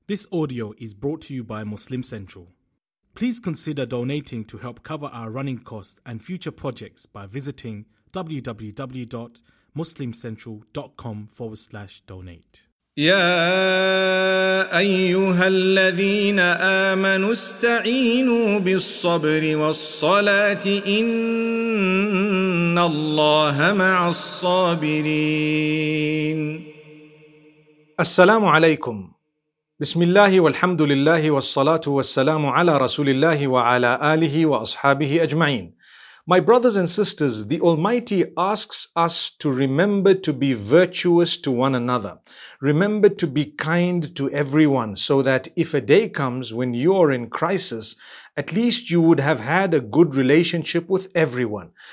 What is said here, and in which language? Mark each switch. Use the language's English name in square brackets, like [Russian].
[English] This audio is brought to you by Muslim Central. Please consider donating to help cover our running costs and future projects by visiting www.muslimcentral.com/donate. [Arabic] يا أيها الذين آمنوا استعينوا بالصبر والصلاة إن الله مع الصابرين. السلام عليكم. بسم الله والحمد لله والصلاة والسلام على رسول الله وعلى آله وأصحابه أجمعين. [English] My brothers and sisters, the Almighty asks us to remember to be virtuous to one another. Remember to be kind to everyone so that if a day comes when you are in crisis, at least you would have had a good relationship with everyone.